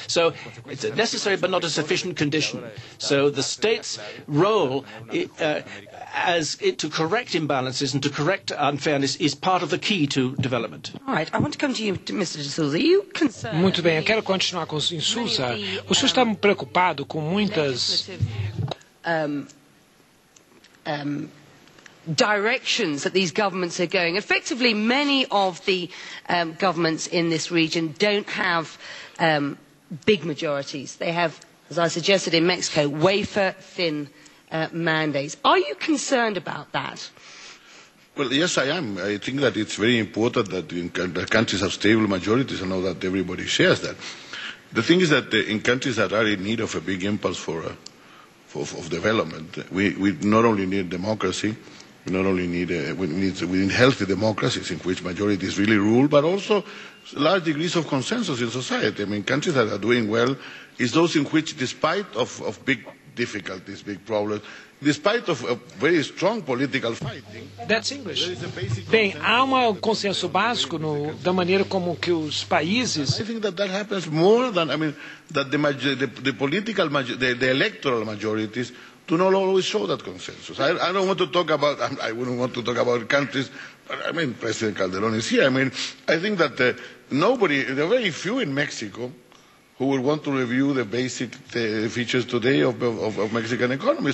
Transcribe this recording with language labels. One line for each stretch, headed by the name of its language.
English: So it's a necessary but not a sufficient condition. So the state's role to correct imbalances and to correct unfairness is part of the key to development. All right, I want to come to you, Mr. Insulza. Are you concerned?
Portuguese: Muito bem, eu quero continuar com o Insulza. O senhor está preocupado com muitas
English: directions that these governments are going. Effectively, many of the governments in this region don't have big majorities. They have, as I suggested in Mexico, wafer-thin mandates. Are you concerned about that? Well, yes, I am. I think that it's very important that countries have stable majorities and know that everybody shares that. The thing is that in countries that are in need of a big impulse for development, we not only need democracy, we not only need we need healthy democracies in which majorities really rule, but also large degrees of consensus in society. I mean, countries that are doing well is those in which, despite of big difficulties, big problems, despite of a very strong political fighting. That's English.
Portuguese: Bem, há um consenso básico no, da maneira como que os países.
English: I think that happens more than, I mean, that the political, the electoral majorities do not always show that consensus. I don't want to talk about, I wouldn't want to talk about countries, but I mean, President Calderón is here. I mean, I think that nobody, there are very few in Mexico who would want to review the basic features today of Mexican economy.